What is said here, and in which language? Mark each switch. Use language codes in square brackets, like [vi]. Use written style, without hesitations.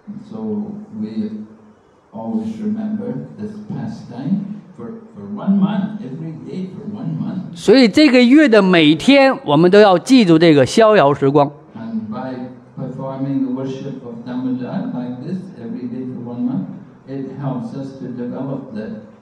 [en] So we always remember this pastime for one month, every day for one month. [zh] 所以这个月的每天，我们都要记住这个逍遥时光。 [en] And by performing the worship of Damodar like this every day for one month, it helps us to develop that.